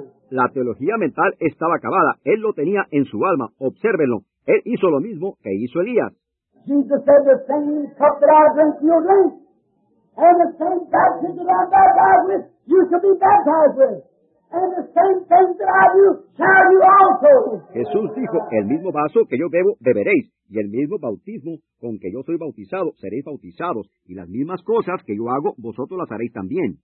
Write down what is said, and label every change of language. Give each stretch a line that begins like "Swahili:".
Spanish: La teología mental estaba acabada. Él lo tenía en su alma. Obsérvenlo. Él hizo lo mismo que hizo Elías.
English: Jesus said the same cup that I drink, you drink, and the same baptism that I baptize with, you shall be baptized with. and the same things that I do shall you also.
Spanish: Jesús dijo, el mismo vaso que yo bebo, beberéis, y el mismo bautismo con que yo soy bautizado, seréis bautizados, y las mismas cosas que yo hago, vosotros las haréis también.